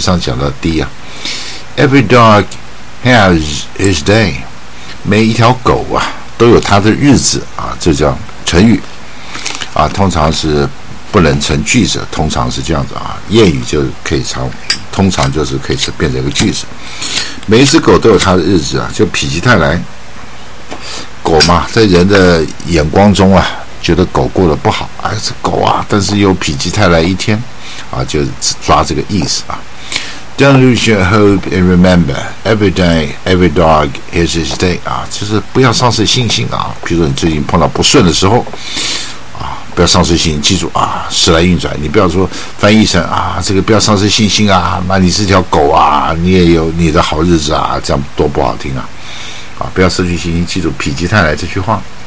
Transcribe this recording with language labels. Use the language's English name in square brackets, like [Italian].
[Chinese] 上讲到第一啊， [English] Every dog has his day， [Chinese] 每一条狗啊都有它的日子啊，这叫成语啊，通常是不能成句子，通常是这样子啊，谚语就可以成，通常就是可以变成一个句子。每一只狗都有它的日子啊，就否极泰来，狗嘛，在人的眼光中啊，觉得狗过得不好，哎，这狗啊，但是又否极泰来一天啊，就抓这个意思啊。 [English] Don't lose your hope and remember, every day, every dog has his day 啊， [Chinese] 就是不要丧失信心啊。比如说你最近碰到不顺的时候啊，不要丧失信心，记住啊，时来运转。你不要说翻译成啊，这个不要丧失信心啊，那你是条狗啊，你也有你的好日子啊，这样多不好听啊。啊，不要失去信心，记住“否极泰来”这句话。